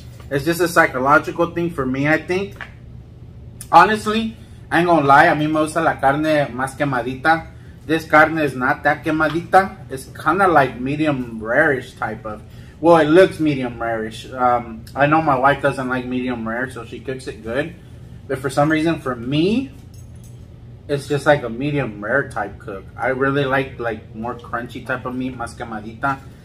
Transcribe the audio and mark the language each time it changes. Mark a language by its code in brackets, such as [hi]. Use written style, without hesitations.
[en] It's just a psychological thing for me, I think. Honestly, I ain't gonna lie. [es] A mí me gusta la carne más quemadita. [en] This carne is not that quemadita. It's kind of like medium rare-ish type of. Well, it looks medium rare-ish. I know my wife doesn't like medium rare, so she cooks it good. But for some reason, for me, it's just like a medium rare type cook. I really like more crunchy type of meat, [es] más quemadita.